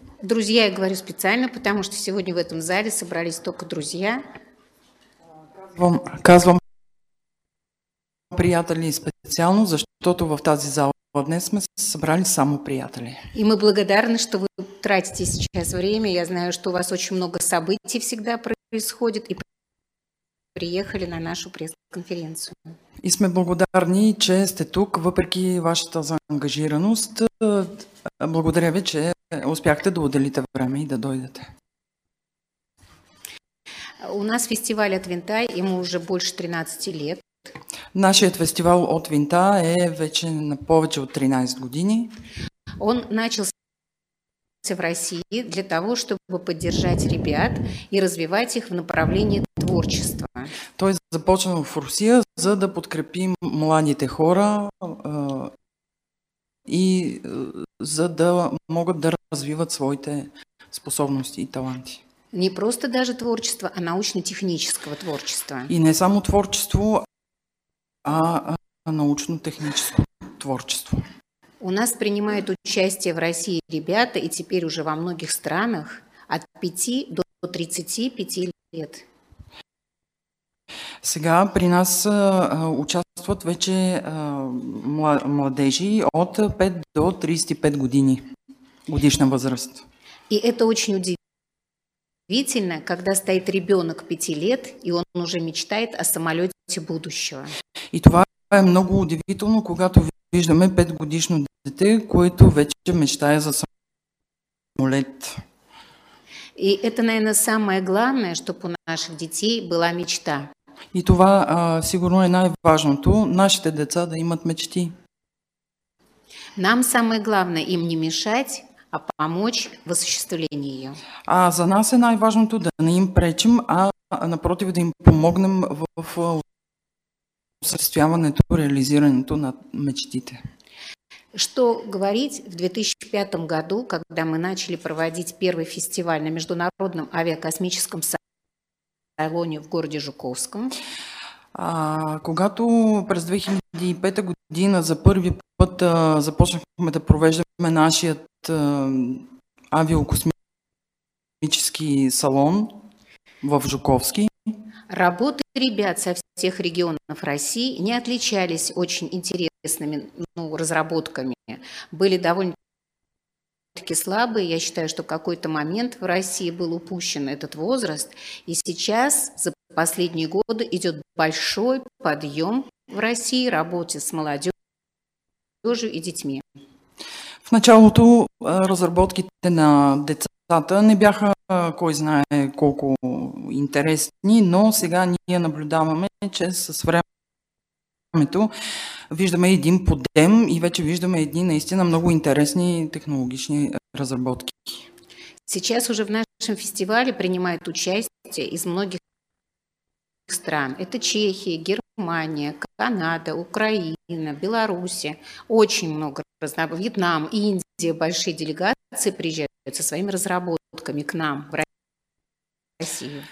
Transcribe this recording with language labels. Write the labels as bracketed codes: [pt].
[ru] Друзья, я говорю специально, потому что сегодня в этом зале собрались только друзья. [bg] Казвам приятели специально, защото в тази зала днес сме събрали само приятели. [ru] И мы благодарны, что вы тратите сейчас время. Я знаю, что у вас очень много событий всегда происходит, и приехали на нашу пресс-конференцию. [bg] И сме благодарни, че сте тук, въпреки вашата заангажираност. Благодаря ви, че успяхте да отделите време и да дойдете. [ru] У нас фестиваль от ВИНТА, ему уже больше 13 лет. [bg] Нашият фестивал от ВИНТА е вече на повече от 13 години. [ru] Он начался в России для того, чтобы поддержать ребят и развивать их в направлении творчества. [bg] Той започна в Русия, за да подкрепим младите хора и за да могат да развиват своите способности и таланти. [ru] Не просто даже творчество, а научно-технического творчества. [bg] И не само творчество, а [ru] научно-техническое творчество. У нас принимают участие в России ребята, и теперь уже во многих странах, от 5 до 35 лет. [bg] Сега при нас [ru] участвуют [bg] вече младежи от 5 до 35 години, годишна възраст. [ru] И это очень удивительно, когда стоит ребенок 5 лет, и он уже мечтает о самолете будущего. [bg] И това е много удивително, когато виждаме 5-годишно дете, което вече мечтае за самолет. [ru] И это, наверное, самое главное, чтобы у наших детей была мечта. [bg] И това сигурно е най-важното, нашите деца да имат мечти. [ru] Нам самое главное им не мешать, а помочь в осуществлении ее. [bg] А за нас е най-важното да не им пречим, а напротив да им помогнем в осъществяването, реализирането на мечтите. [ru] Что говорить, в 2005 году, когда мы начали проводить первый фестиваль на международном авиакосмическом салоне в городе Жуковском. [bg] Когато през 2005 година за първи път започнахме да провеждаме нашият авиокосмически салон в Жуковски. [ru] Работы ребят со всех регионов России не отличались очень интересными разработками. Были довольно-таки слабые. Я считаю, что в какой-то момент в России был упущен этот возраст. И сейчас, за последние годы, идет большой подъем в России работе с молодежью и детьми. [bg] В началото разработките на децата не бяха кой знае колко интересни, но сега ние наблюдаваме, че с времето виждаме един подем и вече виждаме едни наистина много интересни технологични разработки. [ru] Сейчас уже в нашем фестивале принимают участие из многих стран. Это Чехия, Германия, Канада, Украина, Белоруссия. Очень много разнообразных. Вьетнам, Индия. Большие делегации приезжают со своими разработками к нам в Россию.